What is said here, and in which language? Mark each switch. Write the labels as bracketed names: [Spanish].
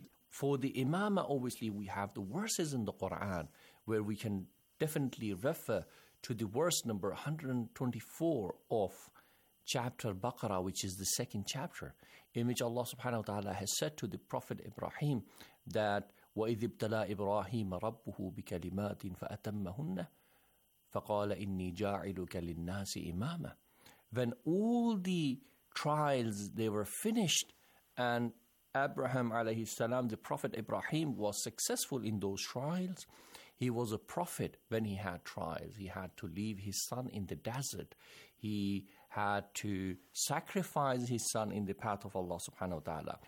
[English] For the Imamah, obviously, we have the verses in the Quran where we can definitely refer to the verse number 124 of chapter Baqarah, which is the second chapter, in which Allah subhanahu wa ta'ala has said to the Prophet Ibrahim that [Arabic] وإذ ابتلى إبراهيم ربه بكلمات فأتمهن فقال إني جاعلك للناس إماما. [English] Then all the trials, they were finished, and Abraham alayhi salam, the prophet Ibrahim, was successful in those trials. He was a prophet when he had trials. He had to leave his son in the desert. He had to sacrifice his son in the path of Allah subhanahu wa ta'ala.